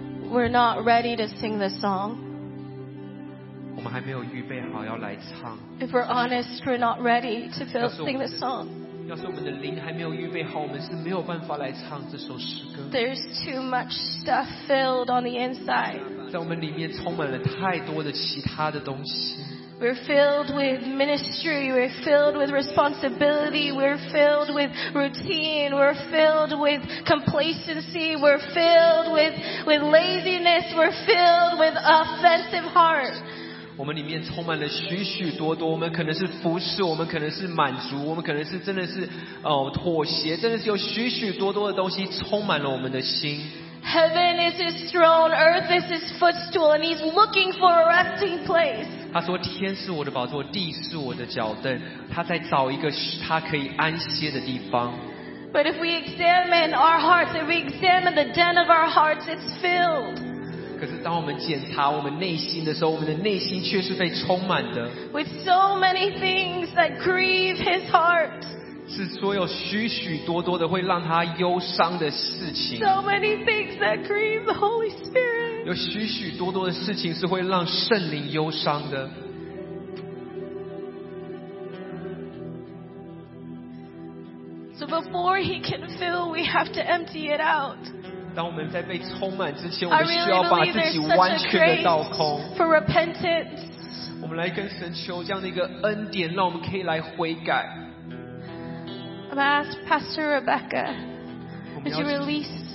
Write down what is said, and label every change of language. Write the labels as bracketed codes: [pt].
[en] We're not ready to sing this song. [zh] 我们还没有预备好要来唱。 [en] If we're honest, we're not ready to sing this song. [zh] 要是我们的灵还没有预备好，我们是没有办法来唱这首诗歌。 [en] There's too much stuff filled on the inside. [zh] 在我们里面充满了太多的其他的东西。 [en] We're filled with ministry. We're filled with responsibility. We're filled with routine. We're filled with complacency. We're filled with laziness. We're filled with offensive heart. [zh] 我们里面充满了许许多多，我们可能是服侍，我们可能是满足，我们可能是真的是妥协，真的是有许许多多的东西充满了我们的心。 [en] Heaven is his throne, earth is his footstool, and he's looking for a resting place. [zh] 他说：“天是我的宝座，地是我的脚凳。” 他在找一个他可以安歇的地方。 [en] But if we examine our hearts, if we examine the den of our hearts, it's filled. [zh] 可是当我们检查我们内心的时候，我们的内心却是被充满的。 [en] With so many things that grieve his heart. [zh] 是所有许许多多的会让他忧伤的事情。 [en] So many things that grieve the Holy Spirit. [zh] 有许许多多的事情是会让圣灵忧伤的。 [en] So before he can fill, we have to empty it out. [zh] 当我们在被充满之前，我们需要把自己完全的倒空。 [en] For repentance, [zh] 我们来跟神求这样的一个恩典，让我们可以来悔改。 [en] I'm gonna ask Pastor Rebecca, would you release?